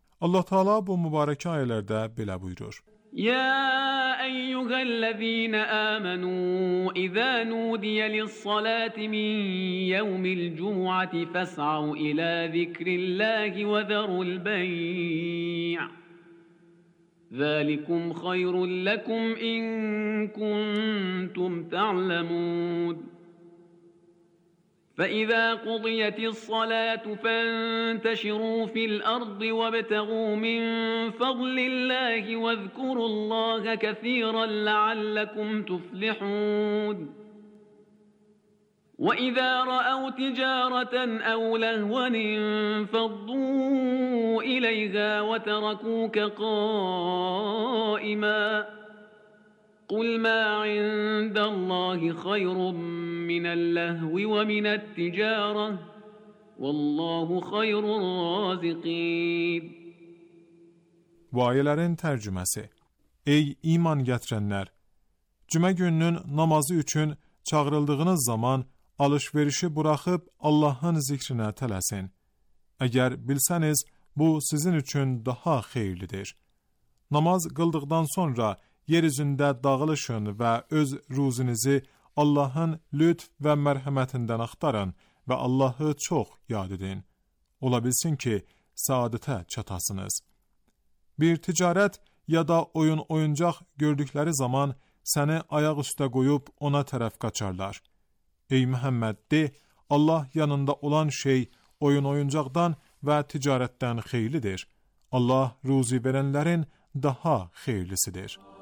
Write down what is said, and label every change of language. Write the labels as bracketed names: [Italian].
[Azerbaijani] Allah Taala bu mübarəkə ayələrdə belə buyurur. [Arabic] Ya eyyuhəl-ləzînə əmənû, əzə nudiyə lissalâti min yevmil cümuəti fəs'əu ilə zikrilləhi və zərul bəyyə. ذلكم خير لكم إن كنتم تعلمون فإذا قضيت الصلاة فانتشروا في الأرض وابتغوا من فضل الله واذكروا الله كثيرا لعلكم تفلحون وإذا رأوا تجارة أو لهوا انفضوا إليها وتركوك قائما قل ما عند الله خير من اللهو ومن التجارة والله خير الرازقين. [Azerbaijani] وآيلارين ترجمسي أي إيمان getirenler Cümə gününün namazı üçün çağrıldığınız zaman alışverişi buraxıb Allahın zikrinə tələsin. Əgər bilsəniz, bu sizin üçün daha xeyirlidir. Namaz qıldıqdan sonra yeryüzündə dağılışın və öz ruzunuzu Allahın lütf və mərhəmətindən axtarın və Allahı çox yad edin. Ola bilsin ki, səadətə çatasınız. Bir ticarət ya da oyun oyuncaq gördükləri zaman səni ayaq üstə qoyub ona tərəf qaçarlar. Ey Məhəmməd, de, Allah yanında olan şey oyun oyuncaqdan və ticarətdən xeyirlidir. [Turkish] Allah ruzi verenlerin daha hayırlısıdır.